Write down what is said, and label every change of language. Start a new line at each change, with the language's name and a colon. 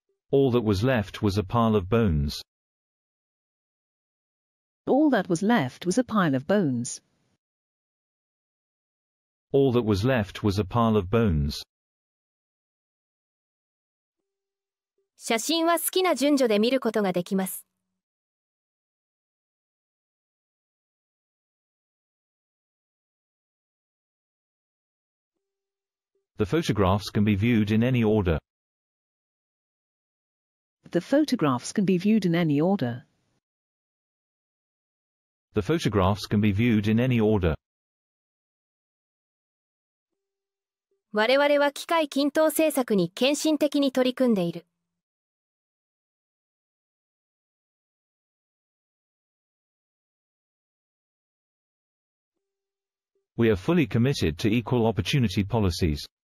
English: All that was left was a pile of bones. All that was left was a pile of bones. All that was left was a pile of bones.
Japanese: 写真は好きな順序で見ることができます。
English: The photographs can be viewed in any order. The photographs can be viewed in any order. The photographs can be viewed in any order.
Japanese: 我々は機械均等政策に献身的に取り組んでいる。
English: We are fully committed to equal opportunity policies.